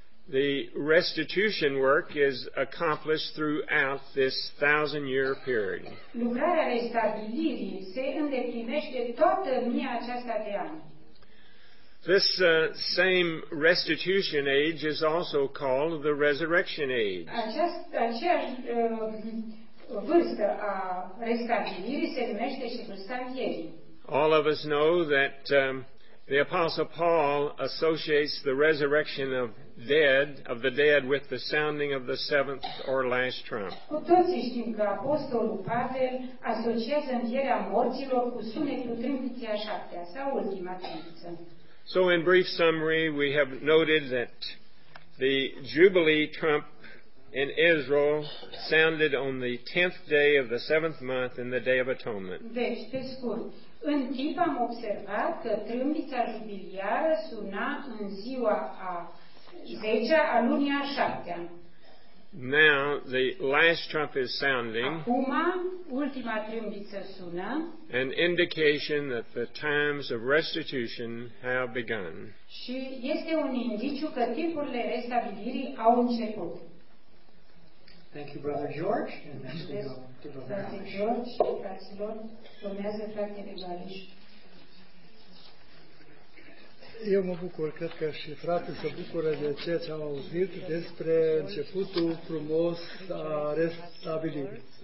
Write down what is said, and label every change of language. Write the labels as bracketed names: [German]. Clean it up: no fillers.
[English] The restitution work is accomplished throughout this 1,000-year period. [Romanian] Lucrarea restabilirii se îndeplinește toată lumea aceasta de ani. [English] This same restitution age is also called the resurrection age. [Romanian] Aceeași vârstă a restabilirii se numește și vârsta învierii. [English] All of us know that the Apostle Paul associates the resurrection of the dead with the sounding of the seventh or last trump. [Romanian] Cu toții știm că Apostolul Pavel asociază învierea morților cu sunetul trâmbiței a șaptea sau ultima trâmbiță. [English] So in brief summary, we have noted that the Jubilee trump in Israel sounded on the 10th day of the 7th month in the Day of Atonement. [Romanian] Deci, pe scurt, în timp am observat că trâmbița jubiliară suna în ziua a 10-a a lunii a 7-a. [English] Now, the last trump is sounding. [Romanian] Acum, ultima trâmbiță sună, [English] an indication that the times of restitution have begun. [Romanian] Și este un indiciu că timpurile restabilirii au început. [English] Thank you, Brother George. [Romanian] Eu mă bucur, cred că și frate se bucură de ceea ce am auzit despre începutul frumos a restabilirii.